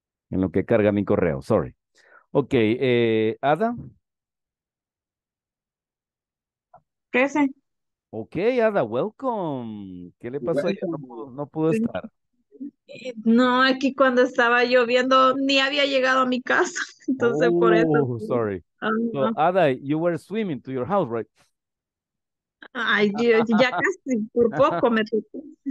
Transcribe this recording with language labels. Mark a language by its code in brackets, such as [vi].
[es] En lo que carga mi correo. [en] Sorry. Ok. [es] Ada. [en] Present. Ok, Ada, welcome. [es] ¿Qué le pasó ayer? No pudo estar. No, aquí cuando estaba lloviendo ni había llegado a mi casa, entonces oh, por eso. [en] Oh, sorry. So, Ada, you were swimming to your house, right? [es] Ay, Dios, ya casi, por poco me tocó.